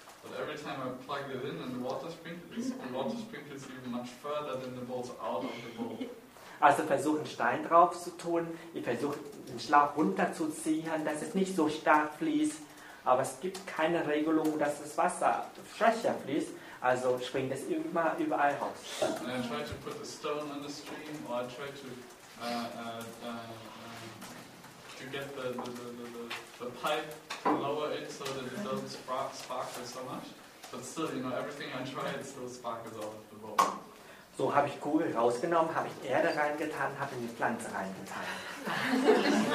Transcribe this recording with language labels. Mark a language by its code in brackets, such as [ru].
[en] But every time I plug it in and the water sprinkles even much further than the bowl's out of the bowl. [de] Also versuche einen Stein drauf zu tun, ich versuche einen Schlauch runterzuziehen, dass es nicht so stark fließt, aber es gibt keine Regelung, dass das Wasser schwächer fließt, also springt es immer überall raus. [en] And I try to put a stone on the stream, or I try to get the pipe to lower it so that it doesn't sparkle so much, but still, you know, everything I try, it still sparkles out of the bowl. [de] So habe ich Kugel rausgenommen, habe ich Erde reingetan, habe in die Pflanze reingetan.